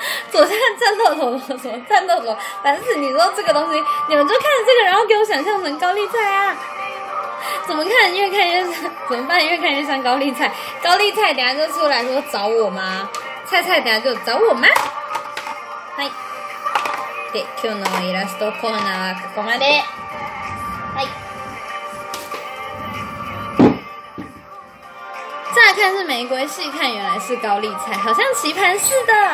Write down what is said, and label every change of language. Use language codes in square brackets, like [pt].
[zh] 左下战斗陀螺什么战斗陀螺，烦死！你说这个东西，你们就看这个，然后给我想象成高丽菜啊？怎么看越看越像？怎么办？越看越像高丽菜。高丽菜等下就出来说找我吗？菜菜等下就找我吗？ [ja] で、今日のイラストコーナーはここまで。はい。 [zh] 乍看是玫瑰，细看原来是高丽菜，好像棋盘似的。